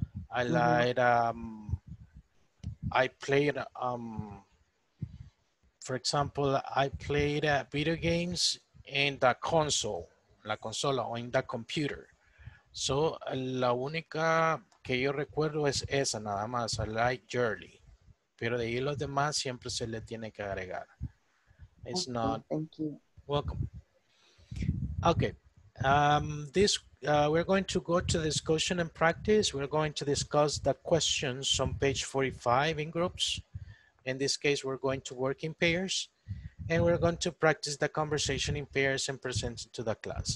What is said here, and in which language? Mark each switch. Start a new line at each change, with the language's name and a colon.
English: I like, I played, for example, I played video games in the console,
Spanish: la consola o
English: in the computer.
Spanish: So, la única que yo recuerdo es esa nada más,
English: I like jelly.
Spanish: Pero de ahí los demás siempre se le tiene que agregar.
English: It's okay, not. Thank you. Welcome. Okay, this we're going to go to discussion and practice. We're going to discuss the questions on page 45 in groups. In this case, we're going to work in pairs. And we're going to practice the conversation in pairs and present it to the class.